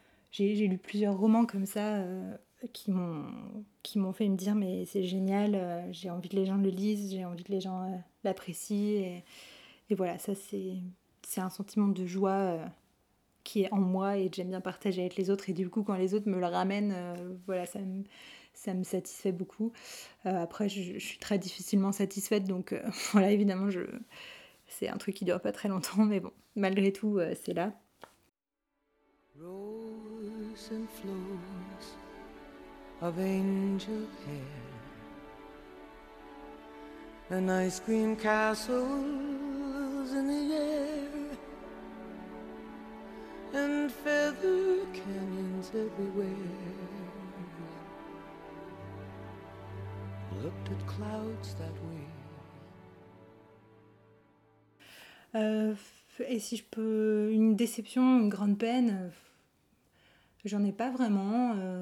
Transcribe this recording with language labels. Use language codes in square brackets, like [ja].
[fr] J'ai lu plusieurs romans comme ça qui m'ont fait me dire mais c'est génial, j'ai envie que les gens le lisent, j'ai envie que les gens l'apprécient, et voilà, ça c'est un sentiment de joie qui est en moi et que j'aime bien partager avec les autres, et du coup quand les autres me le ramènent, voilà, ça me satisfait beaucoup. Après, je suis très difficilement satisfaite, donc voilà, évidemment, c'est un truc qui dure pas très longtemps, mais bon, malgré tout, c'est là. [en] Rose and flows of angel hair, and ice cream castles in the air, and feather canyons everywhere. Looked at clouds that way. [fr] Et si je peux, une déception, une grande peine, j'en ai pas vraiment.